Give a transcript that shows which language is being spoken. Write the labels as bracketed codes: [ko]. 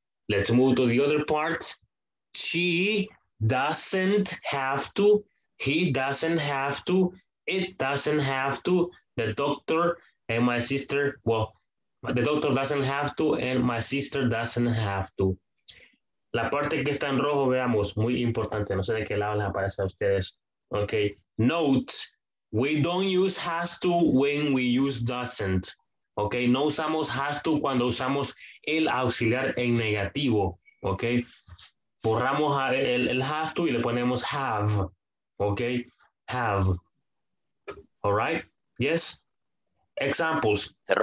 [en] Let's move to the other part. She doesn't have to. He doesn't have to. It doesn't have to, the doctor and my sister, well, the doctor doesn't have to and my sister doesn't have to. [es] La parte que está en rojo, veamos, muy importante, no sé de qué lado les aparece a ustedes. [en] Okay, note, we don't use has to when we use doesn't. [es] Okay, no usamos has to cuando usamos el auxiliar en negativo. Okay, borramos el has to y le ponemos have. [en] Okay, have. All right. Yes. Examples.